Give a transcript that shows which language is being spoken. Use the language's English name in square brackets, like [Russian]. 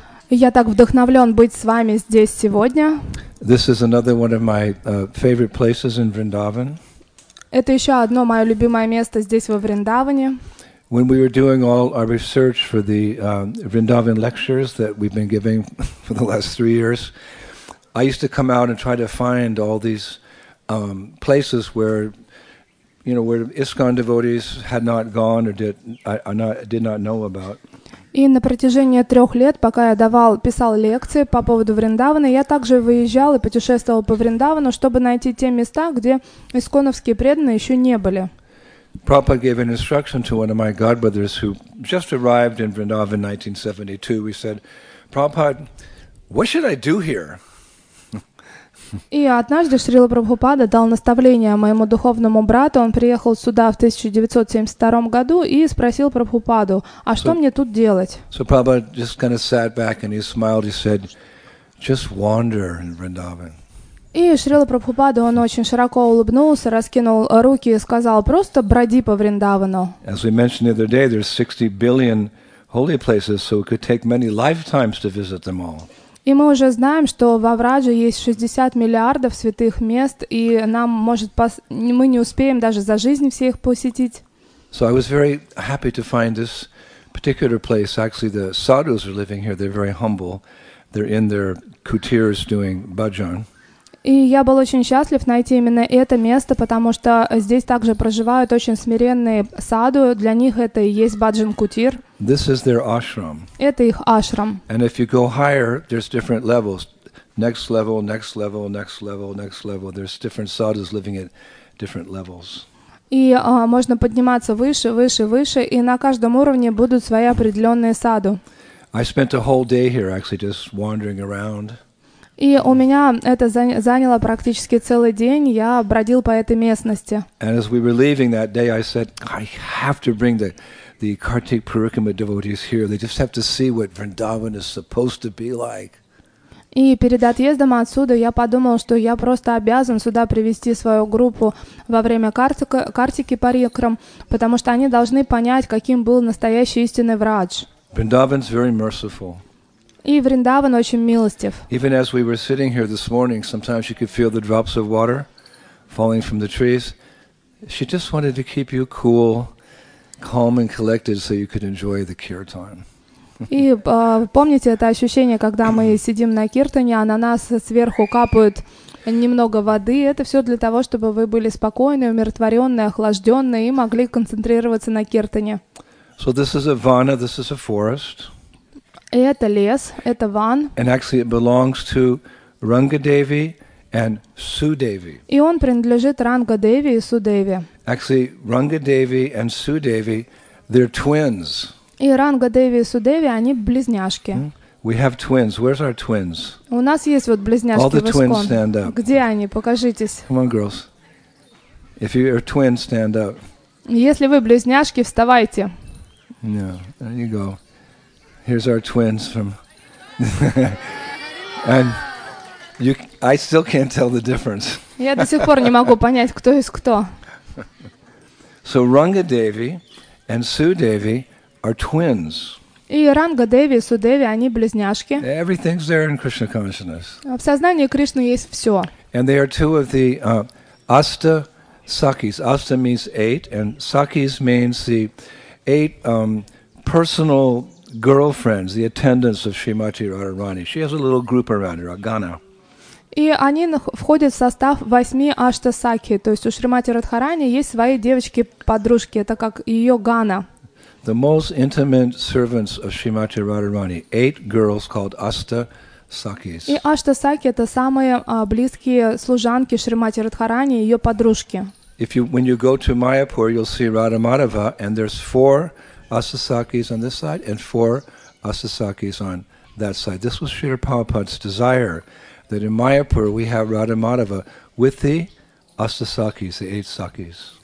[Russian] Я так вдохновлён быть с вами здесь сегодня. [English] This is another one of my favorite places in Vrindavan. [Russian] Это ещё одно моё любимое место здесь во Вриндаване. [English] When we were doing all our research for the Vrindavan lectures that we've been giving for the last 3 years, I used to come out and try to find all these places where you know, where ISKCON devotees had not gone or did not know about. [Russian] И на протяжении 3 лет, пока я писал лекции по поводу Вриндавана, я также выезжал и путешествовал по Вриндавану, чтобы найти те места, где исконовские преданные еще не были. [English] Prabhupada gave an instruction to one of my godbrothers who just arrived in Vrindavan in 1972. We said, Prabhupada, what should I do here? [Russian] И однажды Шрила Прабхупада дал наставление моему духовному брату. Он приехал сюда в 1972 году и спросил Прабхупаду, а что мне тут делать? [English] So Prabhupada just kind of sat back and he smiled, he said, just wander in Vrindavan. [Russian] И Шрила Прабхупада, он очень широко улыбнулся, раскинул руки и сказал, просто броди по Вриндавану. [English] As we mentioned the other day, there's 60 billion holy places, so it could take many lifetimes to visit them all. [Russian] И мы уже знаем, что во Врадже есть 60 миллиардов святых мест, и нам может мы не успеем даже за жизнь все их посетить. [English] So I was very happy to find this particular place. Actually, the sadhus are living here. They're very humble. They're in their kutirs doing bhajan. [Russian] И я был очень счастлив найти именно это место, потому что здесь также проживают очень смиренные саду. Для них это и есть баджан-кутир. [English] This is their ashram. [Russian] Это их ашрам. [English] And if you go higher, there's different levels. Next level, next level, next level, next level. There's different sadhus living at different levels. [Russian] И можно подниматься выше, выше, выше, и на каждом уровне будут свои определенные саду. [English] I spent a whole day here, actually, just wandering around. [Russian] И у меня это заняло практически целый день, я бродил по этой местности. [English] And as we were leaving that day, I said, I have to bring the Kartik Parikrama devotees here. They just have to see what Vrindavan is supposed to be like. [Russian] И перед отъездом отсюда я подумал, что я просто обязан сюда привести свою группу во время Картики Парикрам, потому что они должны понять, каким был настоящий истинный Врадж. [English] Vrindavan's very merciful. [Russian] И Вриндаван очень милостив. [English] Even as we were sitting here this morning, sometimes you could feel the drops of water falling from the trees. She just wanted to keep you cool, calm and collected so you could enjoy the kirtan. [Russian] И помните это ощущение, когда мы сидим на киртане, а на нас сверху капают немного воды. Это все для того, чтобы вы были спокойны, умиротворенные, охлажденные и могли концентрироваться на киртане. [English] So this is a vana, this is a forest. [Russian] Это лес, это ван. [English] And actually it belongs to Rangadevi and Sudevi. [Russian] И он принадлежит Рангадеви и Судеви. [English] Actually, Rangadevi and Sudevi, they're twins. [Russian] И Рангадеви и Судеви, они близняшки. [English] We have twins. Where's our twins? [Russian] У нас есть вот близняшки. [English] All the twins stand up. [Russian] Где они? Покажитесь. [English] Come on, girls. If you are twins, stand up. [Russian] Если вы близняшки, вставайте. [English] Yeah, there you go. Here's our twins from, and I still can't tell the difference. [Russian] Я до сих пор не могу понять, кто из кто. [English] So Rangadevi and Sudevi are twins. [Russian] И Рангадеви и Судеви, они близняшки. [English] Everything's there in Krishna consciousness. [Russian] В сознании Кришны есть все. [English] And they are two of the Asta Sakis. Asta means eight, and Sakis means the eight personal girlfriends, the attendants of Srimati Radharani. She has a little group around her, Agana. [Russian] И они входят в состав восьми Аштасаки. То есть у Шримати Радхарани есть свои девочки-подружки. Это как ее гана. [English] The most intimate servants of Shrimati Radharani. Eight girls called Ashtasakis. [Russian] И Аштасаки — это самые близкие служанки Шримати Радхарани, ее подружки. [English] If you, when you go to Mayapur, you'll see Radha Madhava, and there's four Ashtasakis on this side and four Ashtasakis on that side. This was Srila Prabhupada's desire. That in Mayapur we have Radha Madhava with the Ashtasakis, the eight Sakis.